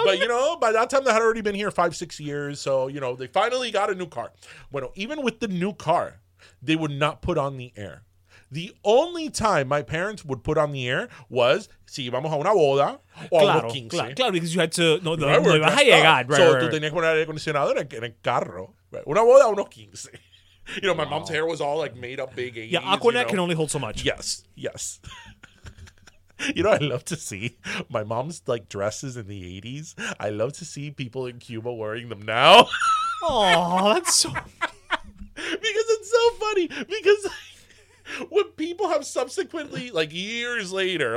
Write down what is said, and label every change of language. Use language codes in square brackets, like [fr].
[en] But, you know, by that time they had already been here 5-6 years. So, you know, they finally got a new car. Bueno, even with the new car, they would not put on the air. The only time my parents would put on the air was [es] si íbamos a una boda o a los 15. [en] Claro, because you had to know the right, no, right, God, right. So right. [es] Tú tenías que poner aire acondicionado en el carro. Right? Una boda o unos 15. [en] You know, my mom's hair was all like made up big 80s. Yeah, Aquanet, you know, can only hold so much. Yes, yes. You know, I love to see my mom's, like, dresses in the 80s. I love to see people in Cuba wearing them now. Oh, that's so because it's so funny because when people have subsequently, like, years later,